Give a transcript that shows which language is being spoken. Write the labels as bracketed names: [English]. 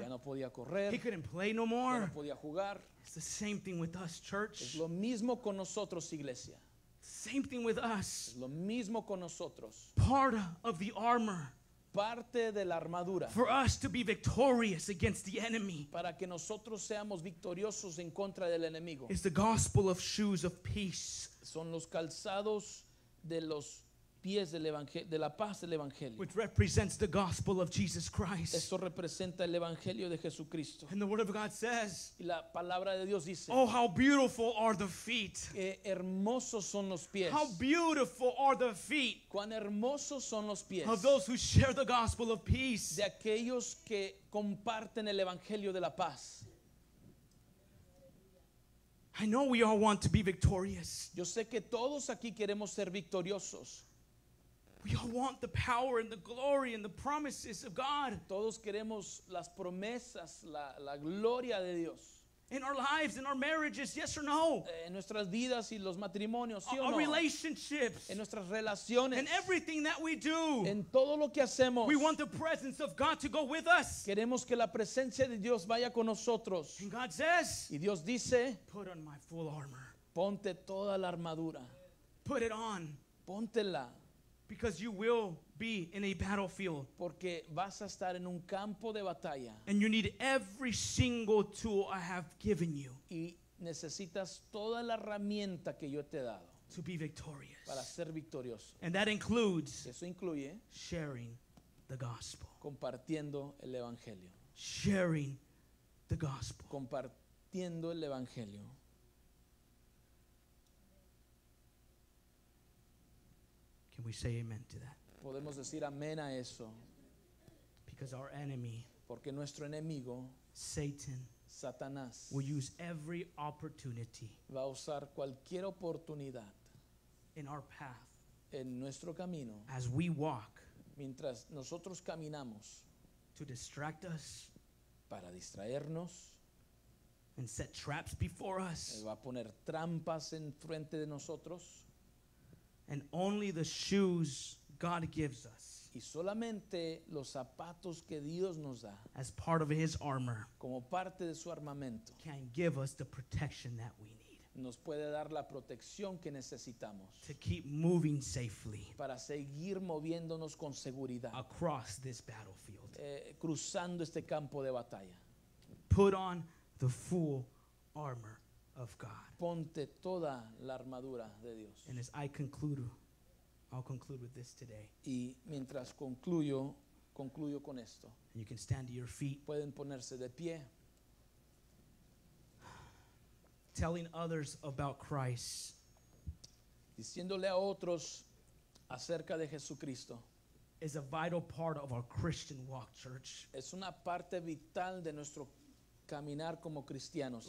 [Spanish] Ya no podía correr. [English] He couldn't play no more. [Spanish] Ya no podía jugar. [English] It's the same thing with us, church. [Spanish] Es lo mismo con nosotros, iglesia. [English] Same thing with us. [Spanish] Es lo mismo con nosotros. [English] Part of the armor. [Spanish] Parte de la armadura. [English] For us to be victorious against the enemy. [Spanish] Para que nosotros seamos victoriosos en contra del enemigo. [English] Is the gospel of shoes of peace. [Spanish] Son los calzados de los pies del evangelio, de la paz del evangelio. [English] Which represents the gospel of Jesus Christ. [Spanish] Esto representa el evangelio de Jesucristo. [English] And the word of God says. [Spanish] Y la palabra de Dios dice. [English] Oh, how beautiful are the feet. [Spanish] Qué hermosos son los pies. [English] How beautiful are the feet. [Spanish] Cuán hermosos son los pies. [English] Of those who share the gospel of peace. [Spanish] De aquellos que comparten el evangelio de la paz. [English] I know we all want to be victorious. [Spanish] Yo sé que todos aquí queremos ser victoriosos. [English] We all want the power and the glory and the promises of God. [Spanish] Todos queremos las promesas, la gloria de Dios. [English] In our lives, in our marriages, yes or no? [Spanish] En nuestras vidas y los matrimonios, sí o no? [English] Our relationships. [Spanish] En nuestras relaciones. [English] In everything that we do. [Spanish] En todo lo que hacemos. [English] We want the presence of God to go with us. [Spanish] Queremos que la presencia de Dios vaya con nosotros. [English] And God says. [Spanish] Y Dios dice. [English] Put on my full armor. [Spanish] Ponte toda la armadura. [English] Put it on. [Spanish] Póntela. [English] Because you will be in a battlefield. [Spanish] Porque vas a estar en un campo de batalla. [English] And you need every single tool I have given you. [Spanish] Y necesitas toda la herramienta que yo te he dado. [English] To be victorious. [Spanish] Para ser victorioso. [English] And that includes. [Spanish] Eso incluye. [English] Sharing the gospel. [Spanish] Compartiendo el evangelio. [English] Sharing the gospel. [Spanish] Compartiendo el evangelio. [English] Can we say amen to that? [Spanish] Podemos decir amén a eso. [English] Because our enemy, [Spanish] porque nuestro enemigo, [English] Satan, [Spanish] Satanás, [English] will use every opportunity, [Spanish] va a usar cualquier oportunidad, [English] in our path, [Spanish] en nuestro camino, [English] as we walk, [Spanish] mientras nosotros caminamos, [English] to distract us, [Spanish] para distraernos, [English] and set traps before us, [Spanish] él va a poner trampas en frente de nosotros. [English] And only the shoes God gives us. [Spanish] Y solamente los zapatos que Dios nos da. [English] As part of his armor. [Spanish] Como parte de su armamento. [English] Can give us the protection that we need. [Spanish] Nos puede dar la protección que necesitamos. [English] To keep moving safely. [Spanish] Para seguir moviéndonos con seguridad. [English] Across this battlefield. [Spanish] Cruzando este campo de batalla. [English] Put on the full armor. Of God. [Spanish] Ponte toda la armadura de Dios. [English] And as I conclude I'll conclude with this today. [Spanish] Y mientras concluyo, concluyo con esto. [English] And you can stand to your feet. [Spanish] Pueden ponerse de pie. [English] Telling others about Christ. [Spanish] Diciéndole a otros acerca de Jesucristo. [English] Is a vital part of our Christian walk, church. [Spanish] Es una parte vital de nuestro caminar como cristianos.